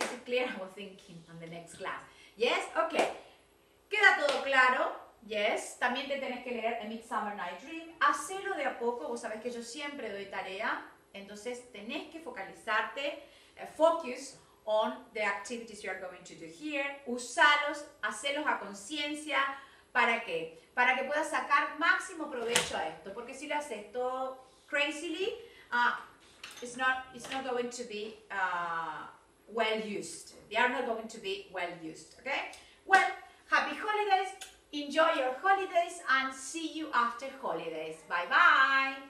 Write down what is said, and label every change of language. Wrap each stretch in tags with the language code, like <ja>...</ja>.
<en>Is it clear? I was thinking on the next class. Yes? Okay.</en> <es>¿Queda todo claro? Yes, también te tenés que leer A Midsummer Night Dream. Hacelo de a poco, vos sabés que yo siempre doy tarea. Entonces tenés que focalizarte,</es> <en>focus on the activities you are going to do here.</en> <es>Usalos, hacelos a conciencia. ¿Para qué? Para que puedas sacar máximo provecho a esto. Porque si lo haces todo</es> <en>crazily, it's not going to be well used. They are not going to be well used, okay? Well, happy holidays. Enjoy your holidays and see you after holidays. Bye bye.</en>